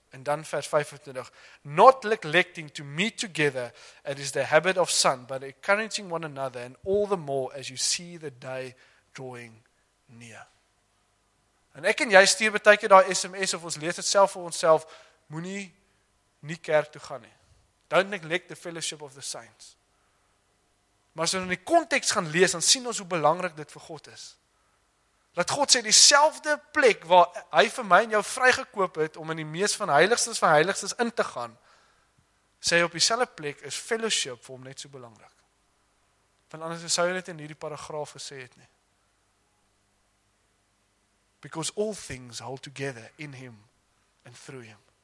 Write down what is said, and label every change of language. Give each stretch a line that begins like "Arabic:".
English: En dan vers 25, not neglecting to meet together, it is the habit of some, but encouraging one another and all the more as you see the day drawing near.
Afrikaans: En ek en jy stuur baie keer daai SMS of ons lees dit self vir onsself, moenie nie kerk toe gaan nie. Don't neglect the fellowship of the saints. Maar as ons in die konteks gaan lees, dan sien ons hoe belangrik dit vir God is. Laat God sê, dieselfde plek waar hy vir my en jou vrygekoop het, om in die mees van heiligstes in te gaan, sê op dieselfde plek is fellowship vir hom net so belangrik. Want anders sou hy dit in hierdie paragraaf gesê het nie.
English: Because all things hold together in him and through him.